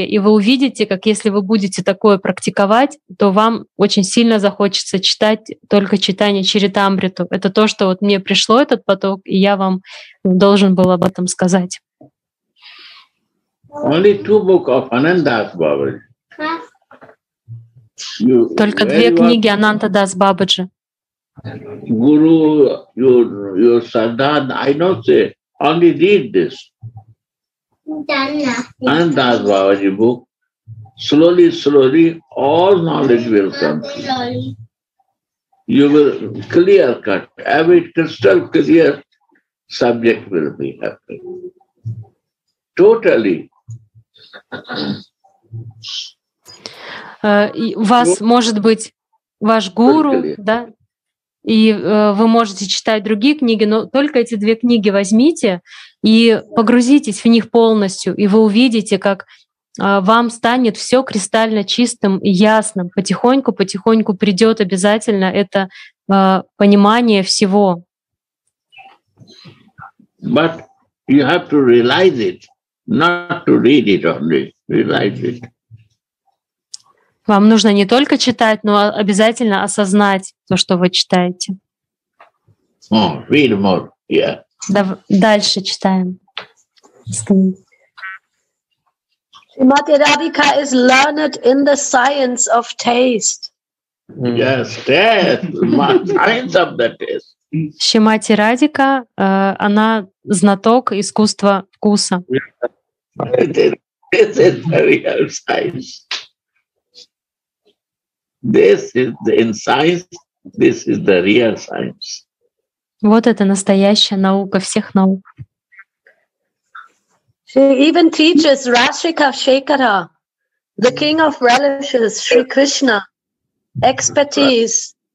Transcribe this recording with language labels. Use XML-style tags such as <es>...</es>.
<ru>И вы увидите, как если вы будете такое практиковать, то вам очень сильно захочется читать только читание Чаритамриту. Это то, что вот мне пришло этот поток, и я вам должен был об этом сказать.</ru> <en>Only two books of Anandas Babaji.</en> <ru>Только две книги Ананта Дас Бабаджи.</ru> <en>Guru, your Sardar, I don't say, only read this. And that Babaji book, slowly, slowly, all knowledge will come. You will clear cut, every crystal clear subject will be happy. Totally.</en> <ru>Вас может быть ваш гуру, да, и вы можете читать другие книги, но только эти две книги возьмите и погрузитесь в них полностью, и вы увидите, как вам станет все кристально чистым и ясным. Потихоньку, потихоньку придет обязательно это понимание всего.</ru> <en>But you have to realize it, not to read it only. Realize it.</en> <ru>Вам нужно не только читать, но обязательно осознать то, что вы читаете.</ru> <en>Oh, read more. Yeah.</en> <ru>Дальше читаем.</ru> <en>Srimati Radhika is learned in the science of taste. Yes, taste. Science of the taste.</en> <ru>Srimati Radhika, она знаток искусства вкуса.</ru> <en>This is the real science. This is the science, this is the real science.</en> <ru>Вот это настоящая наука всех наук.</ru> <en>She even teaches Rasika Shekara, the king of relishes, Sri Krishna, expertise.</en>